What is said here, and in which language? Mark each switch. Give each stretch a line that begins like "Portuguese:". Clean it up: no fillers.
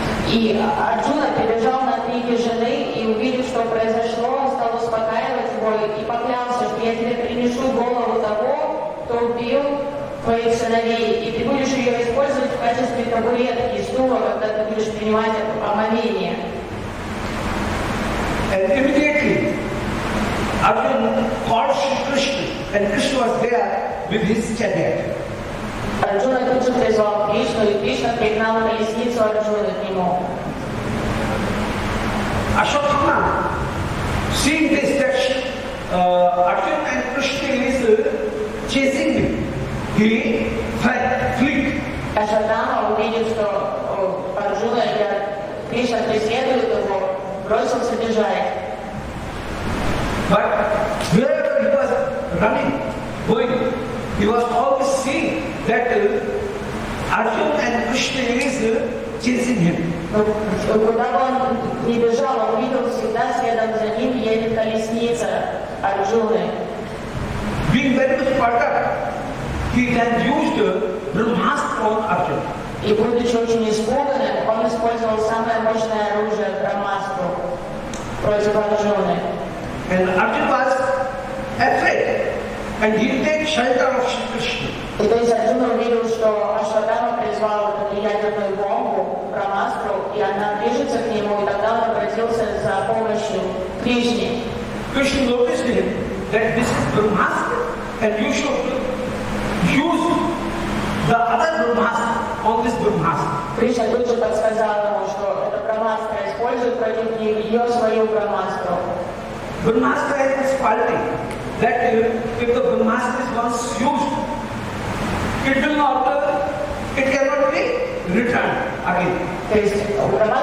Russian: И Арджуна прибежал на крики жены и увидел, что произошло, он стал успокаивать его и поклялся, что я тебе принесу голову того, кто убил твоих сыновей, и ты будешь ее использовать в качестве табуретки, стула, когда ты будешь принимать омовение.
English: And immediately Arjuna called Shri Krishna, and Krishna was there with his chariot.
Russian: Арджуна тут же призвал Кришну, и Кришна пригнал поясницу Арджуны к нему.
English: Ашватама, seeing this, that Arjuna and Krishna is chasing him, he fled.
Russian: Ашватама увидел, что Арджуна и Кришна преследуют его, бросился бежать.
English: But wherever he was running, going, he was always seeing that Arjuna and Krishna is chasing him.
Russian: Куда бы он ни бежал, он видел всегда следом за ним едет колесница Арджуны.
English: Being very much fighter, he then used Brahmastra on Arjuna.
Russian: И будучи очень испуганным, он использовал самое мощное оружие Брахмастру против Арджуны.
English: And Arjuna was afraid, and he take shelter of Shri Krishna.
Russian: И то есть Арджуна увидел, что Ашватама призвал ядерную бомбу, Брахмастру, и она движется к нему, и тогда он обратился за помощью Кришне.
English: Krishna noticed him, that this is Brahmastra, and you should use the other Brahmastra on this Brahmastra.
Russian: Кришна тут же подсказал ему, что это Брахмастра, использует против нее свою Брахмастру.
English: Brahmastra has this quality that if the Brahmastra is once used, it will not, it cannot be returned again.